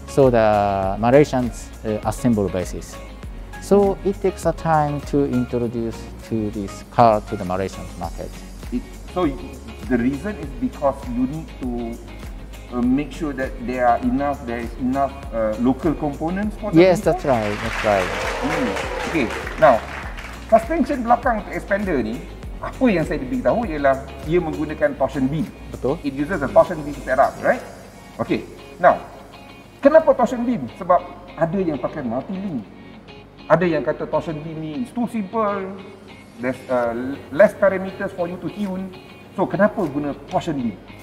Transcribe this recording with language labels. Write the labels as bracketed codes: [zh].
[en] So the Malaysian's assembly basis. So mm-hmm. it takes a time to introduce to this car to the Malaysian market. So the reason is because you need to make sure that there is enough local components for the Yes, vehicle? That's right. Mm. [ms] Okay, now, suspension belakang untuk Xpander ni, apa yang saya diberitahu ialah ia menggunakan torsion beam. Betul. [en] It uses a torsion beam setup, right? Okay, now, [ms] kenapa [en] torsion beam? [ms] Sebab ada yang pakai multi-link. Ada yang kata torsion beam ni [en] is too simple. There's less parameters for you to tune. [ms] So, kenapa guna torsion beam?